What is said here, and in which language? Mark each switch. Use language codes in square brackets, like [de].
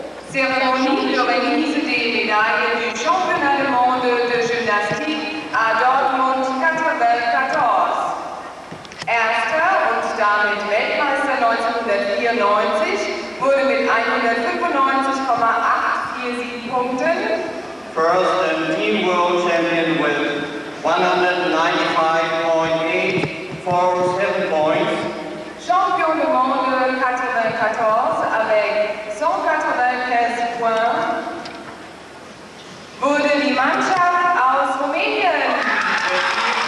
[fr] Cérémonie de remise des médailles du championnat du monde de gymnastique à Dortmund 1994. [de] Erster und damit Weltmeister 1994 wurde mit 195,847 Punkten. [en] First and Team World Champion with 195.847 points. [fr] Champion du monde 94 avec 193 points. [de] Wurde die Mannschaft aus Rumänien.